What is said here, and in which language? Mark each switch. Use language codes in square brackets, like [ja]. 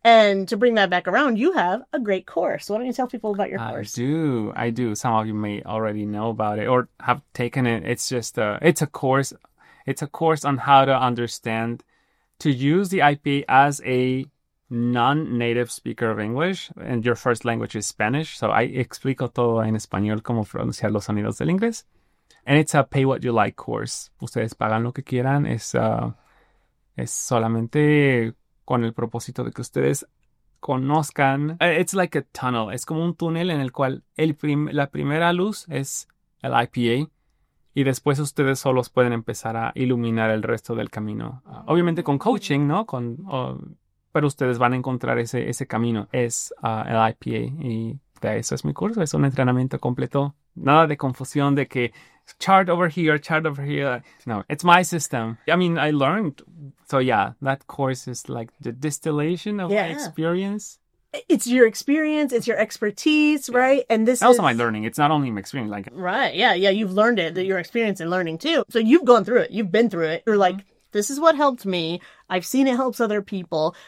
[en] And to bring that back around, you have a great course. Why don't you tell people about your course? I do. Some of you may already know about it or have taken it. It's just it's a course on how to understand to use the IPA as a non-native speaker of English, and your first language is Spanish. [es] So I explico todo en español cómo pronunciar los sonidos del inglés. [en] And it's a pay what you like course. [es] Ustedes pagan lo que quieran. Es solamente con el propósito de que ustedes conozcan. [en] It's like a tunnel. [es] Es como un túnel en el cual la primera luz es el IPA. Y después ustedes solos pueden empezar a iluminar el resto del camino. Obviamente con coaching, ¿no? Pero ustedes van a encontrar ese camino. Es el IPA y de eso es mi curso. Es un entrenamiento completo. Nada de confusión de que [en] chart over here. No, it's my system. I mean, I learned. So yeah, that course is like the distillation of my experience. It's your experience. It's your expertise, right? And this also is... my learning. It's not only my experience. Right. Yeah. Yeah. You've learned it. Your experience in learning too. So you've gone through it. You've been through it. You're like, this is what helped me. I've seen it helps other people.